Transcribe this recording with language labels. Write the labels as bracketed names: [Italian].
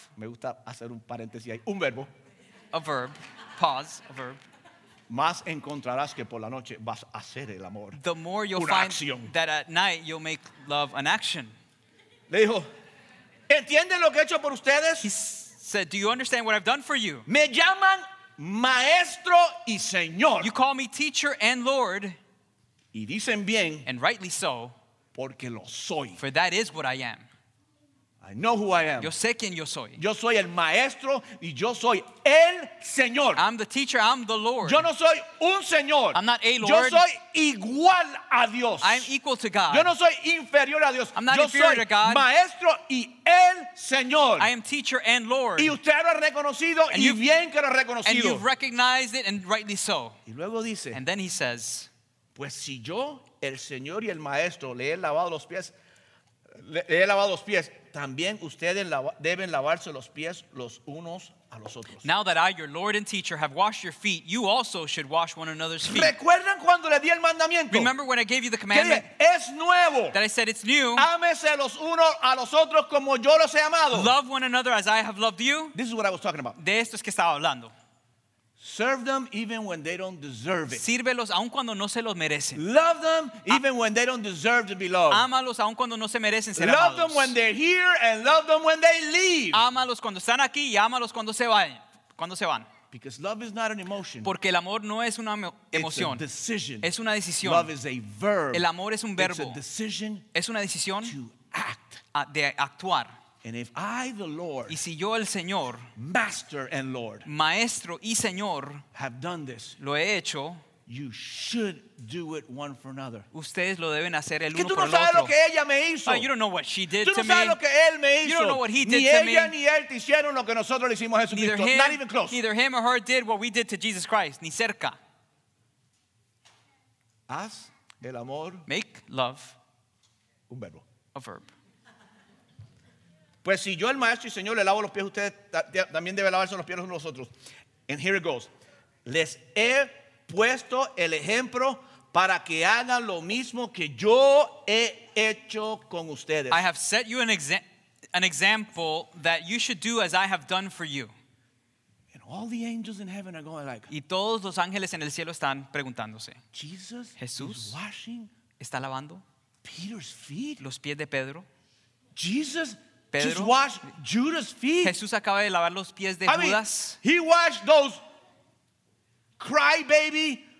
[Spanish] me gusta hacer un paréntesis ahí, un verbo, [English] a verb, pause, a verb, [Spanish] más encontrarás que por la noche vas a hacer el amor, [English] the more you'll [Spanish] una [English] find [Spanish] acción. [English] That at night you'll make love an action. [Spanish] Le dijo, ¿entienden lo que he hecho por ustedes? [English] He said, do you understand what I've done for you? [Spanish] Me llaman Maestro y Señor. [English] You call me teacher and Lord. [Spanish] Y dicen bien, [English] and rightly so, [Spanish] porque lo soy. [English] For that is what I am. I know who I am. [Spanish] Yo sé quién yo soy. Yo soy el maestro y yo soy el Señor. [English] I'm the teacher, I'm the Lord. [Spanish] Yo no soy un Señor. [English] I'm not a Lord. [Spanish] Yo soy igual a Dios. [English] I'm equal to God. [Spanish] Yo no soy inferior a Dios. [English] I'm not [Spanish] yo [English] inferior [Spanish] soy [English] to God. [Spanish] Maestro y el Señor. [English] I am teacher and Lord. [Spanish] Y usted lo ha reconocido y bien que lo ha reconocido. [English] And you've recognized it and rightly so. [Spanish] Y luego dice, [English] and then he says, [Spanish] pues si yo, el Señor y el maestro, le he lavado los pies, le he lavado los pies, también ustedes deben lavarse los pies los unos a los otros. [English] Now that I, your Lord and teacher, have washed your feet, you also should wash one another's feet. [Spanish] ¿Recuerdan cuando le di el mandamiento? [English] Remember when I gave you the commandment? [Spanish] Es nuevo. [English] That I said it's new. [Spanish] Ámese los unos a los otros como yo los he amado. [English] Love one another as I have loved you. This is what I was talking about. [Spanish] De esto es que estaba hablando. [English] Serve them even when they don't deserve it. [Spanish] Sírvelos aun cuando no se los merecen. [English] Love them even when they don't deserve to be loved. [Spanish] Ámalos aun cuando no se merecen ser amados. [English] Love them when they're here and love them when they leave. [Spanish] Ámalos cuando están aquí y ámalos cuando se van. Cuando se van. [English] Because love is not an emotion. [Spanish] Porque el amor no es una emoción. [English] It's a decision. [Spanish] Es una decisión. [English] Love is a verb. [Spanish] El amor es un verbo. [English] It's a decision. [Spanish] Es una decisión. [English] To act. [Spanish] De actuar. [English] And if I, the Lord, [Spanish] y si yo, el Señor, [English] Master and Lord, [Spanish] Maestro y Señor, [English] have done this, [Spanish] lo he hecho, [English] you should do it one for another. [Spanish] Ustedes lo deben hacer el uno por el otro. Tú no sabes lo que ella me hizo. [English] You don't know what she did to me. [Spanish] Tú no sabes lo que él me hizo. [English] You don't know what he did to me. [Spanish] Ni ella ni él te hicieron lo que nosotros le hicimos a Jesucristo. [English] Neither him, not even close. Neither him or her did what we did to Jesus Christ. [Spanish] Ni cerca. Haz el amor. [English] Make love. [Spanish] Un verbo. [English] A verb. [Spanish] Pues si yo, el maestro y señor, le lavo los pies a ustedes, también debe lavarse los pies a nosotros. [English] And here it goes. [Spanish] Les he puesto el ejemplo para que hagan lo mismo que yo he hecho con ustedes. [English] I have set you an example that you should do as I have done for you. And all the angels in heaven are going like. [Spanish] Y todos los ángeles en el cielo están preguntándose. [English] Jesus, [Spanish] Jesús, [English] is washing, [Spanish] está lavando [English] Peter's feet. [Spanish] Los pies de Pedro. [English] Jesus. [Spanish] Pedro, [English] just washed Judas' feet. [Spanish] Jesús acaba de lavar los pies de Judas. [English] He washed those crybaby